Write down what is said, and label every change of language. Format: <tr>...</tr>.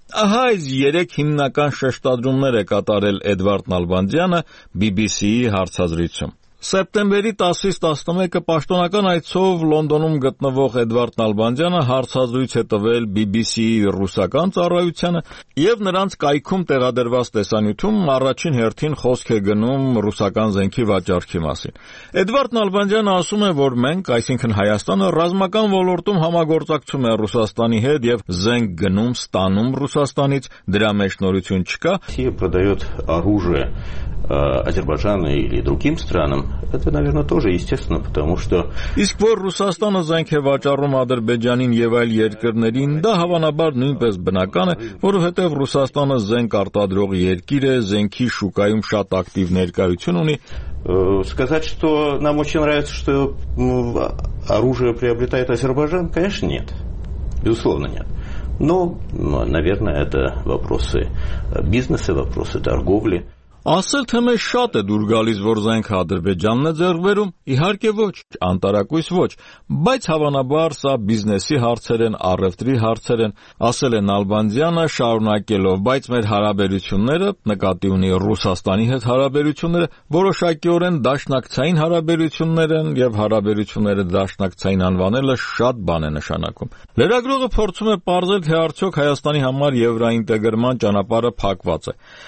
<hy>Ահա այս երեք հիմնական շեշտադրումներ է կատարել Էդվարդ Նալբանդյանը BBC-ի հարցազրույցում։ Սեպտեմբերի 10-11-ը պաշտոնական այցով Լոնդոնում գտնվող Էդվարդ Նալբանդյանը հարցազրույց է տվել BBC-ի ռուսական ծառայությանը, և նրանց կայքում տեղադրված տեսանյութում առաջին հերթին խոսք է գնում ռուսական զենքի վաճառքի մասին։ Էդվարդ Նալբանդյանը ասում է, որ մենք, այսինքն Հայաստանը, ռազմական ոլորտում համագործակցում է Ռուսաստանի հետ և զենք գնում ստանում Ռուսաստանից, դրա մեջ նորություն չկա։</hy> <ru>Азербайджана или другим странам, это, наверное, тоже естественно, потому что...</ru> <hy>Իսկ որ Ռուսաստանը զենք է վաճառում Ադրբեջանին և այլ երկրներին, դա հավանաբար նույնպես բնական է, որովհետև Ռուսաստանը զենք արտադրող երկիր է, զենքի շուկայում շատ ակտիվ ներկայություն ունի.</hy> <ru>Сказать, что нам очень нравится, что оружие приобретает Азербайджан, конечно, нет. Безусловно, нет. Но, наверное, это вопросы бизнеса, вопросы торговли.</ru> <hy>Ասել, թե մեզ շատ է դուր գալիս, որ զենք Ադրբեջանն է ձեռք բերում, իհարկե ոչ, անտարակույս ոչ, բայց հավանաբար սա բիզնեսի հարցեր են, առևտրի հարցեր են, ասել է Նալբանդյանը շարունակելով, բայց մեր հարաբերությունները, նկատի ունի Ռուսաստանի հետ հարաբերությունները, որոշակիորեն դաշնակցային հարաբերություններ են, և հարաբերությունները դաշնակցային անվանելը շատ բան է նշանակում։ Լրագրողը փորձում է պարզել, թե արդյոք Հայաստանի համար եվրոինտեգրման ճանապարհը փակված է։</hy>